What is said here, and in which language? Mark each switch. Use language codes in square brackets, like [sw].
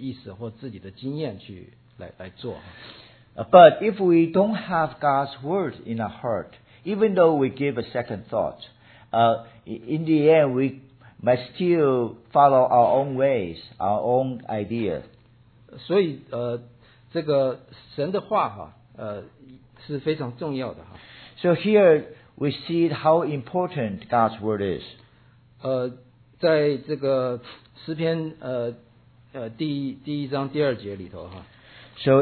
[zh] 那，当然呢，如果我们心里头呢没有这个神的话语的话呢，我们多想了，可能也最后的结果呢，也只是照着我们自己的心意、自己的意思或自己的经验去来做。 [en] But if we don't have God's word in our heart, even though we give a second thought, in the end we must still follow our own ways, our own ideas. [zh] 所以，这个神的话哈，是非常重要的哈。So [en] here we see how important God's word is. [zh] 在这个诗篇第一章第二节里头哈。So